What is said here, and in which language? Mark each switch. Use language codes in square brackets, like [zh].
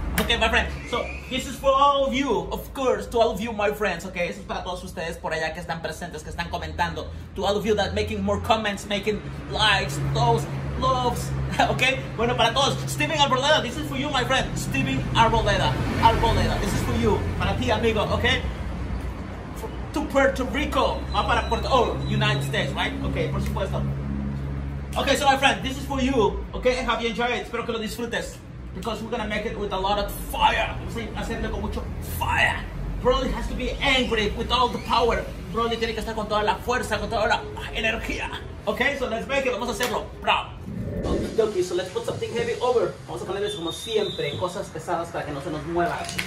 [en] Okay, my friend, so this is for all of you, of course, to all of you, my friends, okay? [es] Esto es para todos ustedes por allá que están presentes, que están comentando. [en] To all of you that making more comments, making likes, those loves, okay? [es] Bueno, para todos, [en] Steven Arboleda, this is for you, my friend. Steven Arboleda, Arboleda, this is for you, [es] para ti, amigo, [en] okay? To Puerto Rico, [es] va para Puerto, [en] oh, United States, right? Okay, [es] por supuesto. [en] Okay, so my friend, this is for you, okay? Have you enjoyed it? [es] Espero que lo disfrutes. [en] Because we're gonna make it with a lot of fire. [es] Hacerlo con mucho fire. [en] Broly has to be angry with all the power. [es] Broly tiene que estar con toda la fuerza, con toda la energía. [en] Okay, so let's make it. [es] Vamos a hacerlo. [en] Bravo. Okie dokie, so let's put something heavy over. [es] Vamos a ponerles como siempre cosas pesadas para que no se nos muevan.